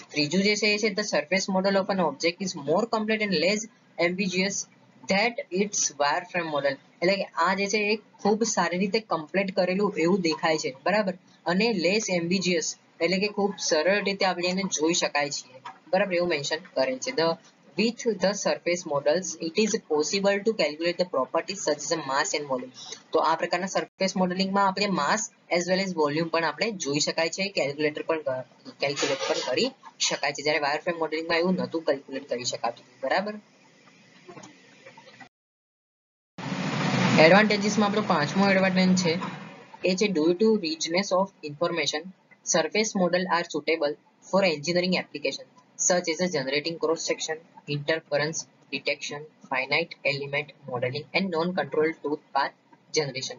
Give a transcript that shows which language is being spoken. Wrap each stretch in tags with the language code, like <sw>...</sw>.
<gu>ત્રીજું જે છે એ છે</gu> <en>the surface model of an object is more complete and less ambiguous that its wireframe model,</en> <gu>એટલે કે આ જે છે એ ખૂબ સારી રીતે કમ્પ્લીટ કરેલું એવું દેખાય છે, બરાબર, અને લેસ એમ્બિગ્યુઅસ એટલે કે ખૂબ સરળ રીતે આપણે એને જોઈ શકાય છીએ, બરાબર, એવું મેન્શન કરે છે.</gu> <en>The With the surface models, it is possible to calculate the properties such as mass and volume.</en> <gu>તો આ પ્રકારના સરફેસ મોડેલિંગમાં આપણે માસ એઝ વેલ એઝ વોલ્યુમ પણ આપણે જોઈ શકાય છે, કેલ્ક્યુલેટ પણ કરી શકાય છે, જ્યારે વાયરફ્રેમ મોડેલિંગમાં એવું નહોતું કેલ્ક્યુલેટ કરી શકાતું, બરાબર. એડવાન્ટેજીસમાં આપણો પાંચમો એડવાન્ટેજ છે એ છે</gu> <en>Due to richness of information surface model are suitable for engineering application such as a generating cross section, interference detection, finite element modeling and non control tooth path generation.</en>